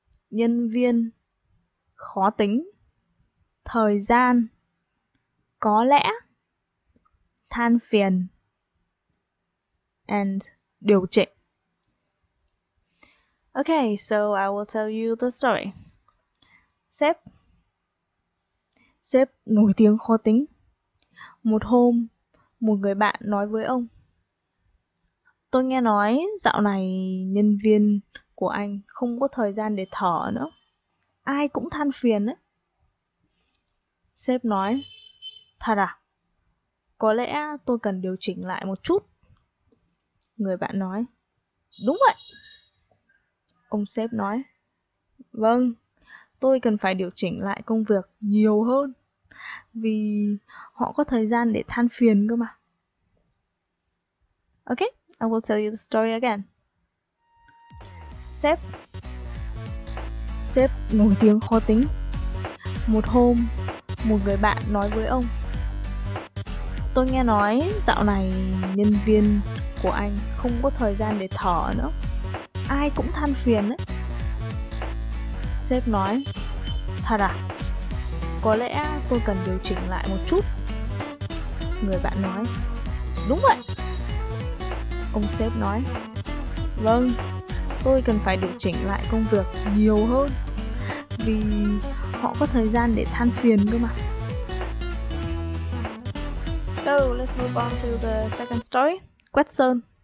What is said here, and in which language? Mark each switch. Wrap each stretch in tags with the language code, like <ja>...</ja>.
<vi>Nhân viên, khó tính, thời gian, có lẽ, than phiền, and điều chỉnh.</vi> <en>Okay, so I will tell you the story.</en> <vi>Sếp. Sếp nổi tiếng khó tính. Một hôm, một người bạn nói với ông. Tôi nghe nói dạo này nhân viên của anh không có thời gian để thở nữa. Ai cũng than phiền ấy. Sếp nói, thật à? Có lẽ tôi cần điều chỉnh lại một chút. Người bạn nói, đúng vậy. Ông sếp nói, vâng, tôi cần phải điều chỉnh lại công việc nhiều hơn. Vì họ có thời gian để than phiền cơ mà.</vi> <en>Okay, I will tell you the story again.</en> <vi>Sếp. Sếp nổi tiếng khó tính. Một hôm, một người bạn nói với ông. Tôi nghe nói dạo này nhân viên của anh không có thời gian để thở nữa. Ai cũng than phiền ấy. Sếp nói, thật à? Có lẽ tôi cần điều chỉnh lại một chút. Người bạn nói, đúng vậy. Ông sếp nói, vâng, tôi cần phải điều chỉnh lại công việc nhiều hơn. Vì họ có thời gian để than phiền cơ mà.</vi> <en>So, let's move on to the second story.</en> <vi>Quét sơn.</vi>